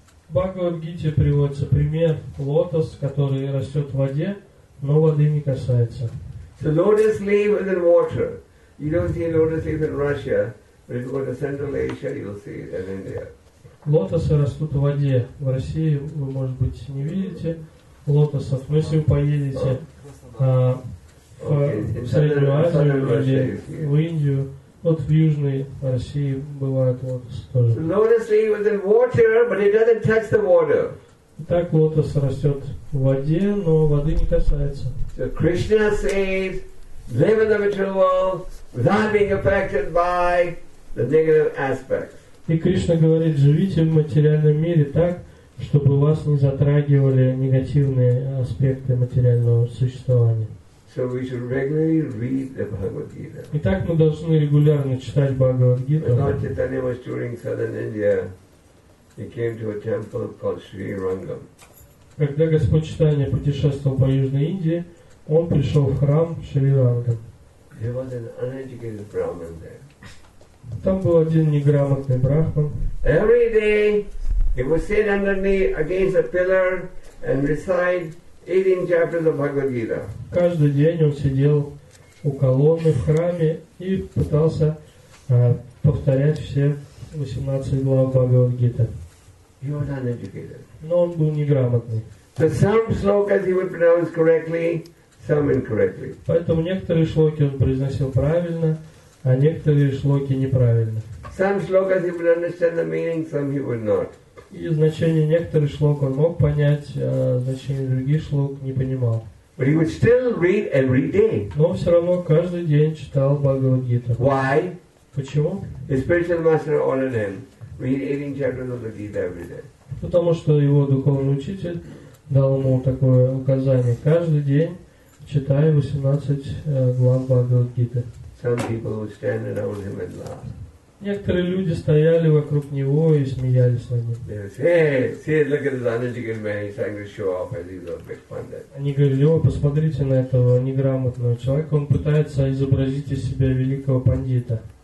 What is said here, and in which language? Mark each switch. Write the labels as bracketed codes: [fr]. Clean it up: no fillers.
[ru] Бхагавад-гите приводится пример лотос, который растет в воде, но воды не касается. [en] So lotus leaf is in water. You don't see lotus leaf in Russia, but if you go to Central Asia, you'll see it in India. [ru] Лотосы растут в воде. В России вы, может быть, не видите лотосов. Но если вы поедете в Среднюю Азию или в Индию, вот в Южной России бывают лотосы тоже. [en] So lotus leaf is in water, but it doesn't touch the water. [ru] Итак, лотос растет в воде, но воды не касается. [en] So Krishna says, live in the material world without being affected by the negative aspects. [ru] И Кришна говорит, живите в материальном мире так, чтобы вас не затрагивали негативные аспекты материального существования. [en] So we should regularly read the Bhagavad Gita. [ru] Итак, мы должны регулярно читать Бхагавад Гиту. [en] When Lord Chaitanya was touring southern India, he came to a temple called Sri Rangam. [ru] Когда Господь Чайтанья путешествовал по Южной Индии, он пришел в храм Шри Рангам. [en] He was an uneducated Brahmin there. [ru] Там был один неграмотный брахман. [en] Every day he would sit underneath against a pillar and recite 18 chapters of Bhagavad Gita. [ru] Каждый день он сидел у колонны в храме и пытался повторять все 18 глав Бхагавад Гита. [en] He was uneducated. [ru] Но он был неграмотный. [en] So some slokas he would pronounce correctly, some incorrectly. [ru] Поэтому некоторые шлоки он произносил правильно, а некоторые шлоки неправильно. [en] Some slokas he would understand the meaning, some he would not. [ru] И значение некоторых шлок он мог понять, а значение других шлок не понимал. [en] But he would still read every day. [ru] Но все равно каждый день читал Бхагавад-гиту. [en] Why? [ru] Почему? [en] His spiritual master ordered him read 18 chapters of the Gita every day. [ru] Потому что его духовный учитель дал ему такое указание. Каждый день читай 18 глав Бхагавад-гиты. [en] Some people would stand around him and laugh. [ru] Некоторые люди стояли вокруг него и смеялись над ним. Они говорили, о, посмотрите на этого неграмотного человека, он пытается изобразить из себя великого пандита.